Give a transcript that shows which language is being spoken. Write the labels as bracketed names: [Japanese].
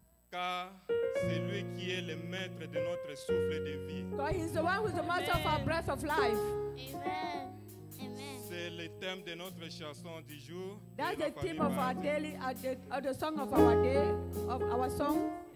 [French] Car c'est lui qui est le maître de notre souffle de vie. [English] God, he's the one who's the master of our breath of life. Amen. [French] C'est le thème de notre chanson du jour. [English] That's the theme of our daily, the song of our day, of our song.